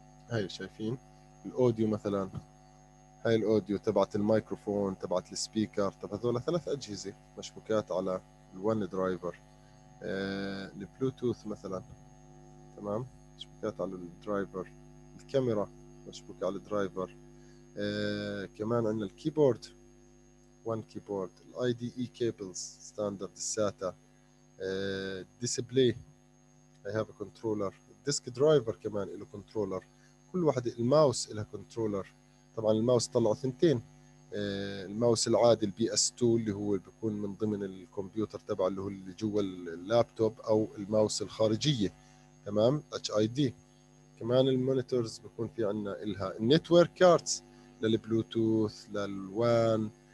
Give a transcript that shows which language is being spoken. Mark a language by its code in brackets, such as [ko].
[ar] هاي شايفين الاوديو مثلا، هاي الاوديو تبعت المايكروفون تبعت السبيكر. طب هذول ثلاث اجهزه مشبوكات على الون درايفر. البلوتوث مثلا تمام مشبوكات على الدرايفر. الكاميرا مشبوكه على الدرايفر. كمان عندنا الكيبورد [en] One keyboard, IDE cables, standard SATA, display. I have a controller. [ar] Disk driver كمان إله controller. كل واحدة الماوس إلها controller. طبعاً الماوس طلعوا ثنتين. الماوس العادي الـ PS2 اللي هو اللي بيكون من ضمن الكمبيوتر تبع اللي هو اللي جوا اللابتوب، أو الماوس الخارجية. تمام؟ HID. كمان المونيتورز بيكون في عنا إلها network cards للبلوتوث للوان.